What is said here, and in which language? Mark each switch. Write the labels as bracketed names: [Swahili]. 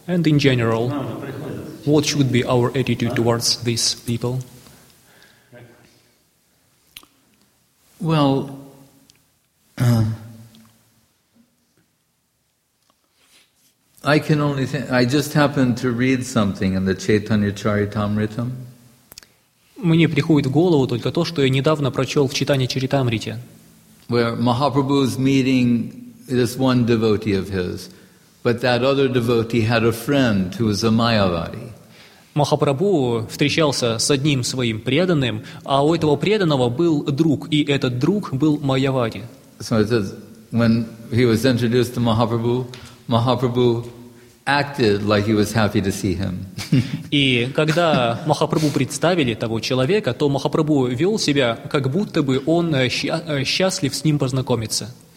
[English] And in general, what should be our attitude towards these people? Well, I can only think, I just happened to read something in the Chaitanya Charitamritam. [Russian] Мне приходит в голову только то, что я недавно прочел в Чайтанья Чаритамрите. [English] Where Mahaprabhu is meeting this one devotee of his, but that other devotee had a friend who was a Mayavadi. [Russian] Махапрабху встречался с одним своим преданным, а у этого преданного был друг, и этот друг был майявади. [English] So it says, when he was introduced to Mahaprabhu, Mahaprabhu acted like he was happy to see him. [Russian] И когда Махапрабху представили того человека, то Махапрабху вел себя, как будто бы он счастлив с ним познакомиться.